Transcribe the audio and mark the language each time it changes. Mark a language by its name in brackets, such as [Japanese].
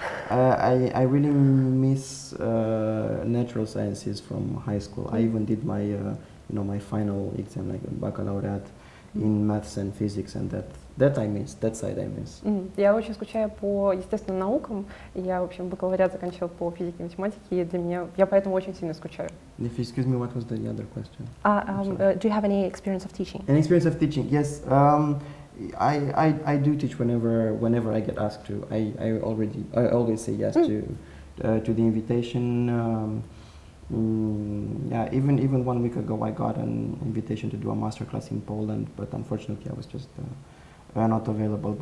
[English] I really miss natural sciences from high school. I even did my my final exam, like baccalaureate, in maths and physics, and that I miss, that side I miss. [Russian] Я очень скучаю по естественным наукам. Я, в общем, бакалавриат заканчивала по физике и математике, и для меня я поэтому очень сильно скучаю. [English] If you excuse me, what was the other question? Do you have any experience of teaching? An experience of teaching, yes. I do teach whenever I get asked to. I always say yes to the invitation. Even 1 week ago I got an invitation to do a masterclass in Poland, but unfortunately I was just not available.